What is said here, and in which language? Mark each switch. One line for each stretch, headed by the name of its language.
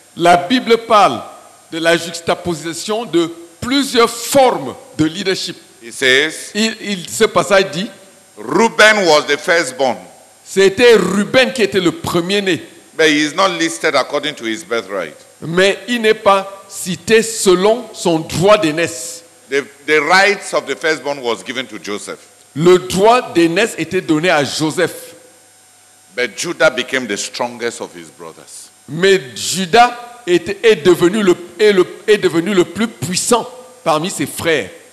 French: La Bible parle de la juxtaposition de plusieurs formes de leadership.
English: It says,
French: il ce passage dit,
English: Reuben was the firstborn.
French: C'était Ruben qui était le premier-né.
English: But he is not listed according to his birthright.
French: Mais il n'est pas cité selon son droit d'aînesse.
English: The rights of the firstborn was given to Joseph.
French: Le droit d'aînesse était donné à Joseph.
English: But Judah became the strongest of his brothers.
French: Mais Judas est devenu le plus puissant parmi ses frères.